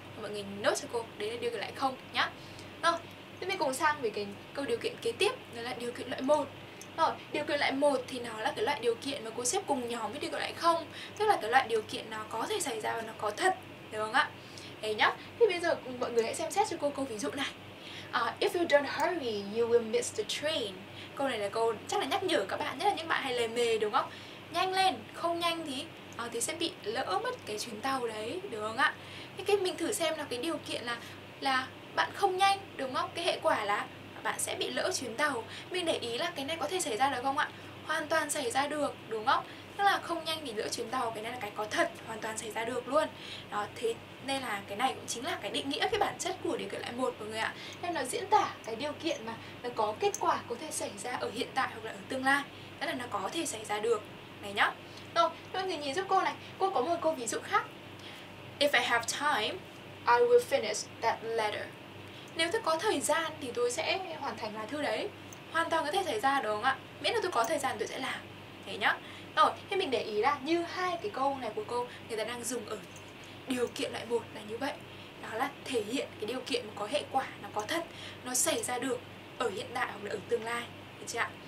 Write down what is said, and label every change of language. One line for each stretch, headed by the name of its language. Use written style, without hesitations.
Vietnamese: Mọi người note cho cô, đấy là điều kiện lại không nhá. Rồi, thế mình cùng sang về cái câu điều kiện kế tiếp, đó là điều kiện loại 1. Rồi, điều kiện loại 1 thì nó là cái loại điều kiện mà cô xếp cùng nhóm với điều kiện lại không, tức là cái loại điều kiện nó có thể xảy ra và nó có thật, đúng không ạ? Đấy nhá. Thì bây giờ mọi người hãy xem xét cho cô câu ví dụ này.
English: If you don't hurry, you will miss the train.
Vietnamese: Câu này là câu chắc là nhắc nhở các bạn, nhất là những bạn hay lề mề đúng không? Nhanh lên, không nhanh thì sẽ bị lỡ mất cái chuyến tàu đấy, đúng không ạ? Thế cái mình thử xem là cái điều kiện là bạn không nhanh, đúng không? Cái hệ quả là bạn sẽ bị lỡ chuyến tàu. Mình để ý là cái này có thể xảy ra được không ạ? Hoàn toàn xảy ra được, đúng không? Tức là không nhanh thì lỡ chuyến tàu, cái này là cái có thật, hoàn toàn xảy ra được luôn. Đó, thế nên là cái này cũng chính là cái định nghĩa, cái bản chất của điều kiện lại một mọi người ạ. Nên nó diễn tả cái điều kiện mà nó có kết quả có thể xảy ra ở hiện tại hoặc là ở tương lai. Tức là nó có thể xảy ra được. Này nhá. Rồi, mọi người nhìn giúp cô này, cô có một câu ví dụ khác.
English: If I have time, I will finish that letter.
Vietnamese: Nếu tôi có thời gian thì tôi sẽ hoàn thành lá thư đấy. Hoàn toàn có thể xảy ra đúng không ạ? Miễn là tôi có thời gian tôi sẽ làm. Thế nhá. Rồi, thế mình để ý là như hai cái câu này của cô người ta đang dùng ở điều kiện loại 1 là như vậy. Đó là thể hiện cái điều kiện có hệ quả, nó có thật, nó xảy ra được ở hiện tại hoặc là ở tương lai. Được chưa ạ?